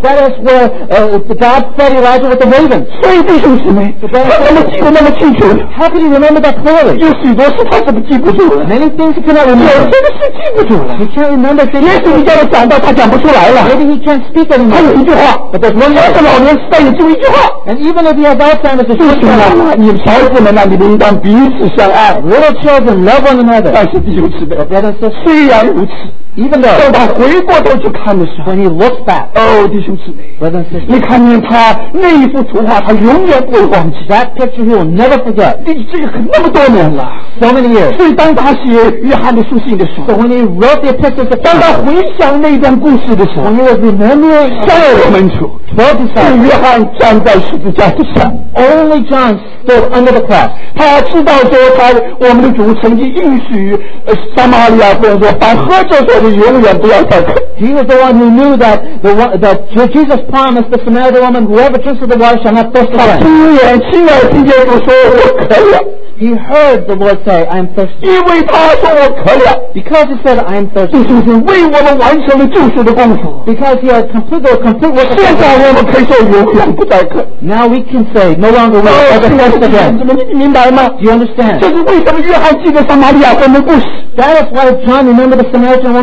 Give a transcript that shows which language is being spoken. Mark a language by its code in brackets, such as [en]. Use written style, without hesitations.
[en] That is where God fed Elijah with the ravens [zh] 所以弟兄姊妹他怎么记得那么清楚 [en] How could he remember that clearly [zh] 有许多事他怎么记不住了 [en] Many things he cannot remember [zh] 有些的事记不住了 [en] He can't remember [zh] 也许你叫他讲到他讲不出来了 [en] Maybe he can't speak anymore [zh] 他有一句话 [en] But there's one [zh] 要是老年痴呆也就一句话 [en] And even if he has Alzheimer's [zh] 就是了你们小子们你们应当彼此相爱 [en] Little children love one another [zh] 但是弟兄姊妹 [en] Brother and sister [zh] 虽然如此 [en] Even though [zh] 当他回过头去看的时候 [en] When he looks back [zh] 哦弟兄姊妹 [en] Brother and sister [zh] 你看见他那一幅图画他永远不会忘记 [en] That picture he will never forget [zh] 这个那么多年了 [en] So many years [zh] 所以当他写约翰的书信的时候 [en] So when he wrote the epistle [zh] 当他回想那段故事的时候 [en] When he was remembering [zh] 向我们求是约翰站在十字架之上 [en] Only John stood under the cross [zh] 他知道说他我们的主曾经应许撒玛利亚妇人说把喝这水的永远不要再渴 [en] He was the one who knew that, that Jesus promised the Samaritan woman whoever drinks of the water shall not thirst again [zh] 他亲眼亲眼听见主说我渴了 [en] He heard the Lord say, I am thirsty. [zh] 因为他说我渴了 [en] Because he said, I am thirsty. [zh] 就是为我们完成了救赎的功夫 [en] Because he had completed work. [zh] 现在我们可以说永远不再渴 [en] Now we can say, no longer will ever thirst again. [zh] 你明白吗 [en] Do you understand? [zh] 这是为什么约翰记得撒玛利亚妇人的故事 [en] That is why John remembered the Samaritan woman.